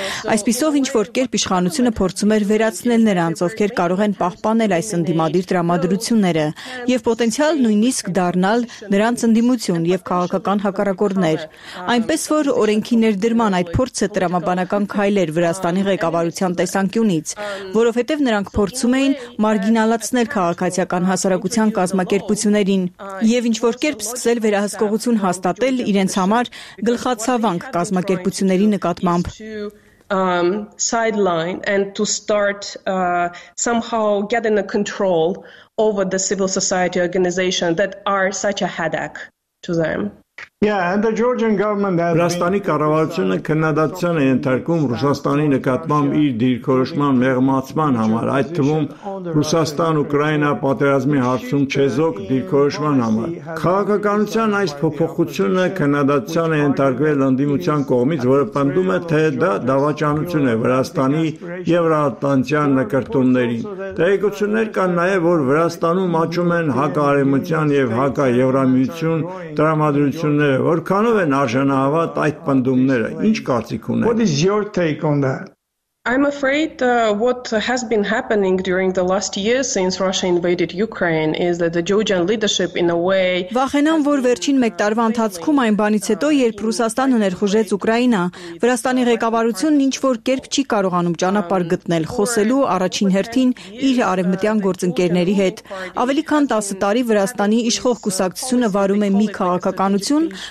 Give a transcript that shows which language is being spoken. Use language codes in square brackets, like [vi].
[hy] Այսպիսով, ինչ որ կերպ իշխանությունը փորձում էր վերացնել նրանց, ովքեր կարող են պահպանել այս ընդդիմադիր դրամադրությունները եւ պոտենցիալ նույնիսկ դառնալ նրանց ընդդիմություն եւ քաղաքական հակառակորդներ։ Այնպես որ օրենքի ներդրման այդ փորձը տրամաբանական քայլ էր Վրաստանի ղեկավարության տեսանկյունից, որովհետեւ նրանք փորձում էին մարգինալացնել քաղաքացիական հասարակության կազմակերպություններին եւ ինչ որ կերպ սկսել վերահսկողություն հաստատել իրենց համար գլխացավանք կազմակերպությունների նկատմամբ։ [en] Sideline and to start somehow getting a control over the civil society organization that are such a headache to them. [hy] Ռուսաստանի կառավարությունը քննադատության է ենթարկում Ռուսաստանի նկատմամբ իր դիրքորոշման մեղմացման համար, այդ թվում Ռուսաստան-Ուկրաինա պատերազմի հարցում չեզոք դիրքորոշման համար։ Քաղաքականության այս փոփոխությունը քննադատության է ենթարկվել ընդդիմության կողմից, որը պնդում է, թե դա դավաճանություն է Վրաստանի Եվրատլանտյան նկարտումներին։ Տեղեկություններ կան նաև, որ Վրաստանում աճում են հակաարեմության և հակաևրամիություն տրամադրությունը։ Որքանով են արժանահավատ այդ պնդումները, ինչ կարծիք ունեք։ [en] What is your take on that? I'm afraid what has been happening during the last year since Russia invaded Ukraine is that the Georgian leadership in a way [hy] Վախենամ, որ վերջին 1 տարվա ընթացքում այն բանից հետո, երբ Ռուսաստանը ներխուժեց Ուկրաինա, Վրաստանի ղեկավարությունն ինչ-որ կերպ չի կարողանում ճանապարհ գտնել խոսելու առաջին հերթին իր արևմտյան գործընկերների հետ։ Ավելի քան 10 տարի Վրաստանի իշխող կուսակցությունը վարում է մի քաղաքականություն,